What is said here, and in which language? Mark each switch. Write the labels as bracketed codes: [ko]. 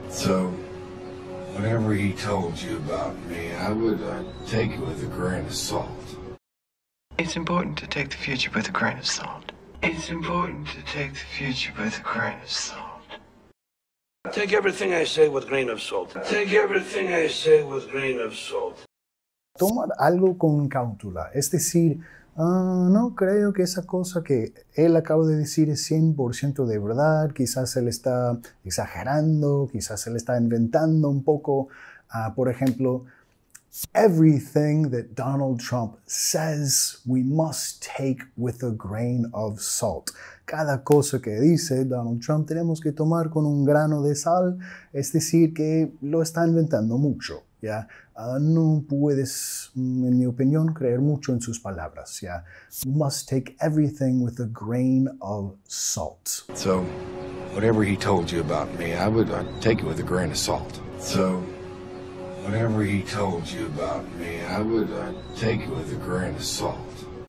[en] So, whatever he told you about me, I'd take it with a grain of salt. It's important to take the future with a grain of salt. It's important to take the future with a grain of salt. Take everything I say with a grain of salt. Take everything I say with a grain of salt. [es] Tomar algo con cautela, es decir, no creo que esa cosa que él acaba de decir es 100% de verdad, quizás él está exagerando, quizás él está inventando un poco. Por ejemplo, [en] everything that Donald Trump says we must take with a grain of salt. [es] Cada cosa que dice Donald Trump tenemos que tomar con un grano de sal, es decir, que lo está inventando mucho. ¿Ya? No puedes, en mi opinión, creer mucho en sus palabras. ¿Ya? [en] You must take everything with a grain of salt. So, whatever he told you about me, I'd take it with a grain of salt. So, whatever he told you about me, I'd take it with a grain of salt.